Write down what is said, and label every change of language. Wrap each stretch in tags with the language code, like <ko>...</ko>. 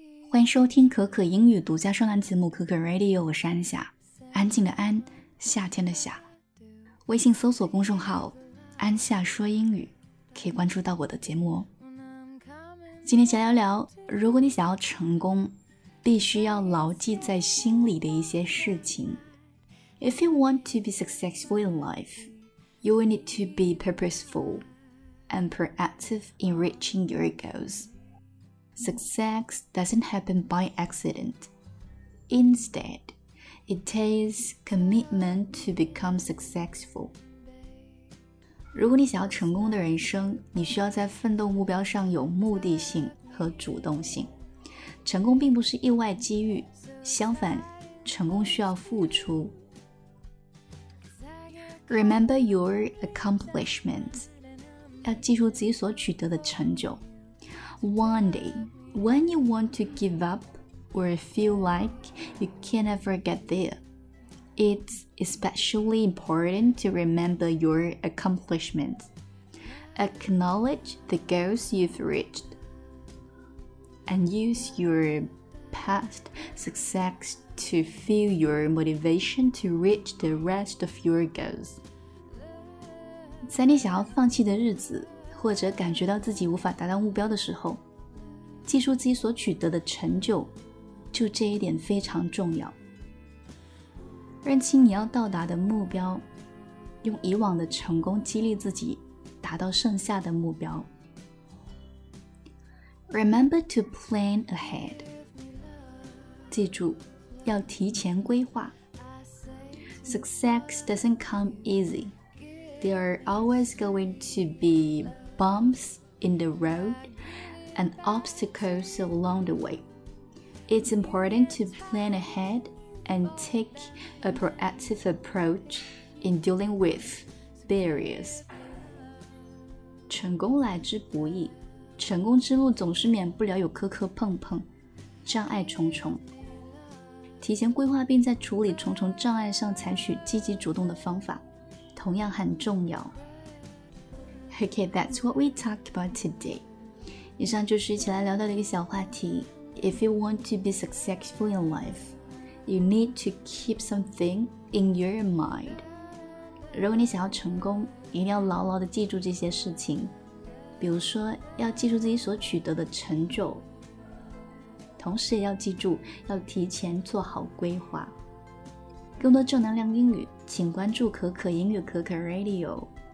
<zh>欢迎收听可可英语独家专栏节目可可 Radio， 我是安夏，安静的安，夏天的夏。微信搜索公众号安夏说英语，可以关注到我的节目哦。今天想聊聊，如果你想要成功，必须要牢记在心里的一些事情。</zh> <en>If you want to be successful in life, you will need to be purposeful and proactive in reaching your goals. Success doesn't happen by accident. Instead, it takes commitment to become successful.</en> <zh>如果你想要成功的人生，你需要在奋斗目标上有目的性和主动性。成功并不是意外机遇，相反，成功需要付出。</zh> <en>Remember your accomplishments.</en> <zh>要记住自己所取得的成就。</zh> <en>One day, when you want to give up or feel like you can never get there, it's especially important to remember your accomplishments. Acknowledge the goals you've reached and use your past success to fuel your motivation to reach the rest of your goals.</en> <zh>在你想要放弃的日子，或者感觉到自己无法达到目标的时候，记住自己所取得的成就，就这一点非常重要。认清你要到达的目标，用以往的成功激励自己达到剩下的目标。</zh> <en>Remember to plan ahead.</en> <zh>记住，要提前规划。</zh> <en>Success doesn't come easy. There are always going to be bumps in the road and obstacles along the way. It's important to plan ahead and take a proactive approach in dealing with barriers.</en> <zh>成功来之不易，成功之路总是免不了有磕磕碰碰，障碍重重。提前规划并在处理重重障碍上采取积极主动的方法同样很重要。</zh> <en>Okay, that's what we talked about today.</en> <zh>以上就是一起来聊到的一个小话题。</zh> <en>If you want to be successful in life, you need to keep something in your mind.</en> <zh>如果你想要成功，一定要牢牢地记住这些事情，比如说要记住自己所取得的成就，同时也要记住要提前做好规划。更多正能量英语，请关注可可英语可可 Radio。</zh>